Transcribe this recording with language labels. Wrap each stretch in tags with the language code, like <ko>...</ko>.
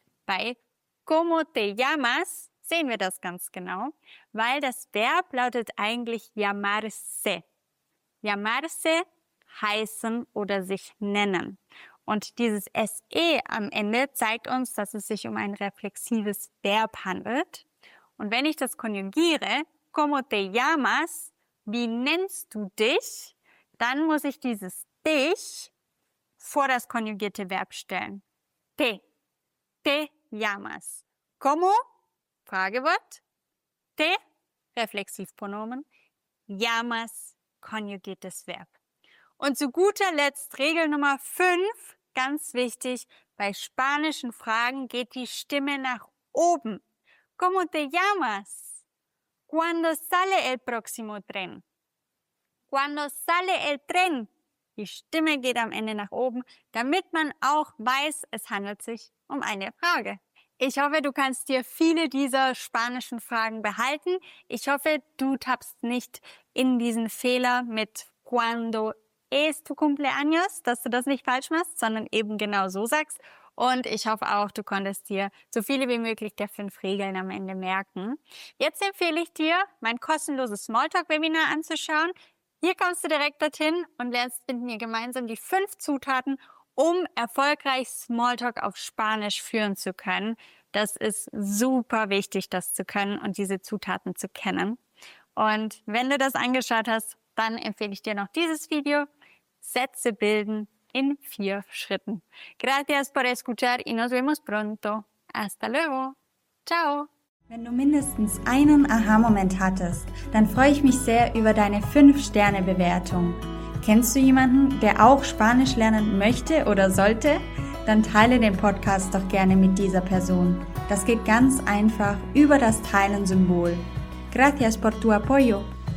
<de>Bei</de> <es>¿Cómo te llamas?</es> <de>Sehen wir das ganz genau, weil das Verb lautet eigentlich llamarse. Llamarse, heißen oder sich nennen. Und dieses SE am Ende zeigt uns, dass es sich um ein reflexives Verb handelt. Und wenn ich das konjugiere,</de> <es>¿Cómo te llamas?</es> <de>Wie nennst du dich? Dann muss ich dieses dich vor das konjugierte Verb stellen.</de> <es>Te. Te llamas. ¿Cómo? Fragewort.</es> <de>Te, Reflexivpronomen. Llamas, konjugiertes Verb. Und zu guter Letzt Regel Nummer 5, ganz wichtig, bei spanischen Fragen geht die Stimme nach oben.</de> <es>¿Cómo te llamas? ¿Cuándo sale el próximo tren? ¿Cuándo sale el tren?</es> <de>Die Stimme geht am Ende nach oben, damit man auch weiß, es handelt sich um eine Frage. Ich hoffe, du kannst dir viele dieser spanischen Fragen behalten. Ich hoffe, du tappst nicht in diesen Fehler mit</de> <es>¿Cuándo es tu cumpleaños?,</es> <de>dass du das nicht falsch machst, sondern eben genau so sagst. Und ich hoffe auch, du konntest dir so viele wie möglich der 5 Regeln am Ende merken. Jetzt empfehle ich dir, mein kostenloses Smalltalk-Webinar anzuschauen. Hier kommst du direkt dorthin und lernst mit mir gemeinsam die 5 Zutaten, um erfolgreich Smalltalk auf Spanisch führen zu können. Das ist super wichtig, das zu können und diese Zutaten zu kennen. Und wenn du das angeschaut hast, dann empfehle ich dir noch dieses Video, Sätze bilden in 4 Schritten.</de> <es>Gracias por escuchar y nos vemos pronto. Hasta luego. Ciao.</es> <de>Wenn du mindestens einen Aha-Moment hattest, dann freue ich mich sehr über deine 5-Sterne-Bewertung. Kennst du jemanden, der auch Spanisch lernen möchte oder sollte? Dann teile den Podcast doch gerne mit dieser Person. Das geht ganz einfach über das Teilen-Symbol.</de> <es>Gracias por tu apoyo.</es>